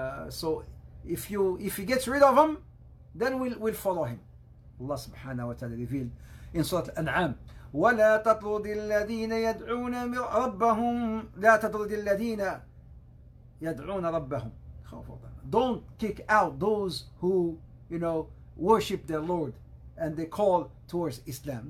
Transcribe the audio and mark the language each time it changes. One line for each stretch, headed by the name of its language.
English: So if he gets rid of them, then we'll follow him. Allah subhanahu wa ta'ala revealed in Surah Al-An'am,
Arabic: وَلَا تَطْرُدِ الَّذِينَ يَدْعُونَ رَبَّهُمْ لَا تَطْرُدِ الَّذِينَ يَدْعُونَ رَبَّهُمْ.
English: Don't kick out those who, you know, worship their Lord and they call towards Islam.